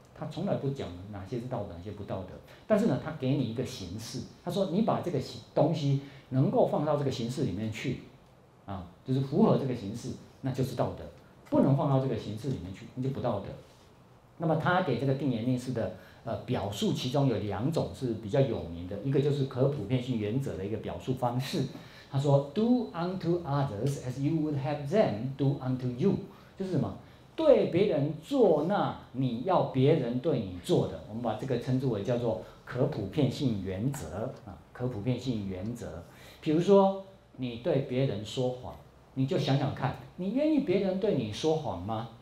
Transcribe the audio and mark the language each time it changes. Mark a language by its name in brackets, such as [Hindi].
[Chinese] 他从来不讲哪些是道德，哪些不道德。但是呢，他给你一个形式，他说你把这个东西能够放到这个形式里面去，啊，就是符合这个形式，那就是道德；不能放到这个形式里面去，那就不道德。那么他给这个定言令式的表述，其中有两种是比较有名的，一个就是可普遍性原则的一个表述方式。他说 [English] ，do unto others as you would have them do unto you， [Chinese] 就是什么？对别人做那你要别人对你做的，我们把这个称之为叫做可普遍性原则啊，可普遍性原则。比如说你对别人说谎，你就想想看，你愿意别人对你说谎吗？